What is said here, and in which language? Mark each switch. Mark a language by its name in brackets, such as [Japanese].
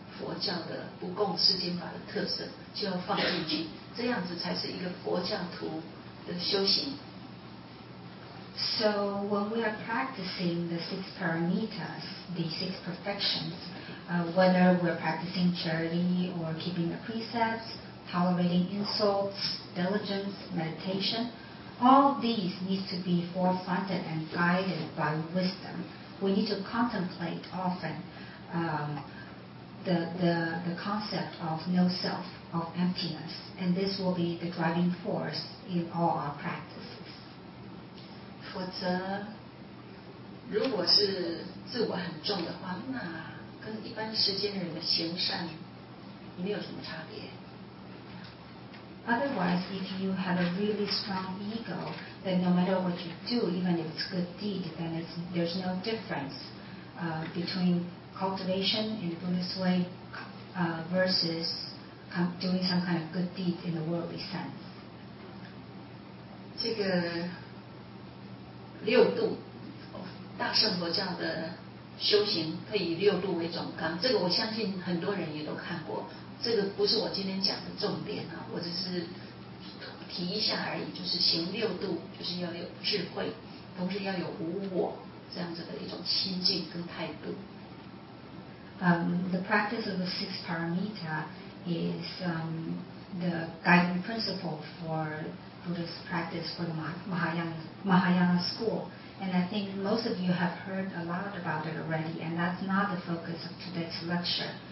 [Chinese] 佛教的不共世间法的特色就要放进去，这样子才是一个佛教徒的修行。 [English] So when we are practicing the six paramitas, the six perfections, whether we're practicing charity or keeping the precepts, tolerating insults, diligence, meditation, all these need to be forefronted and guided by wisdom. We need to contemplate often. The concept of no self, of emptiness, and this will be the driving force in all our practices. [Chinese] 否则，如果是自我很重的话，那跟一般世间人的行善也没有什么差别。 [English] Otherwise, if you have a really strong ego, then no matter what you do, even if it's a good deed, then there's no difference between. Cultivation in the Buddhist way versus doing some kind of good deed in the worldly sense. [Chinese] 这个六度大乘佛教的修行可以六度为总纲，这个我相信很多人也都看过。这个不是我今天讲的重点啊，我只是提一下而已。就是行六度，就是要有智慧，同时要有无我这样子的一种心境跟态度。 [English] The practice of the six paramita is the guiding principle for Buddhist practice for the Mahayana school. And I think most of you have heard a lot about it already, and that's not the focus of today's lecture.